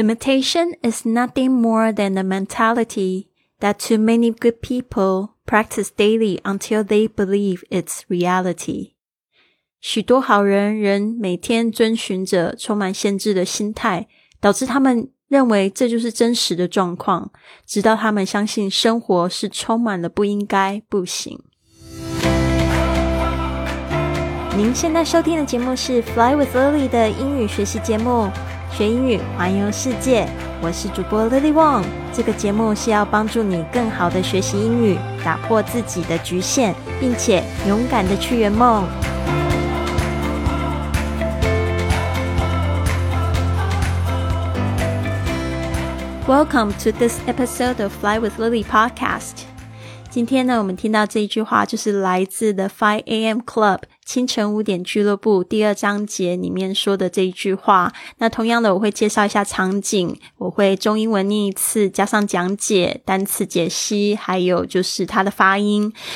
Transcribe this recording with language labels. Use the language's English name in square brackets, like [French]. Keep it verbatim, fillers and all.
[English] Imitation is nothing more than a mentality that too many good people practice daily until they believe it's reality. [Chinese] 许多好人仍每天遵循着充满限制的心态，导致他们认为这就是真实的状况，直到他们相信生活是充满了不应该、不行。您现在收听的节目是 Fly with Lily 的英语学习节目。学英语环游世界，我是主播 Lily Wong。这个节目是要帮助你更好的学习英语，打破自己的局限，并且勇敢的去圆梦。 [English] Welcome to this episode of Fly with Lily podcast。 [Chinese] 今天呢，我们听到这一句话就是来自 The 五 A M Club清晨五点俱乐部第二章节里面说的这一句话。那同样的，我会介绍一下场景，我会中英文念一次，加上讲解、单词解析，还有就是它的发音。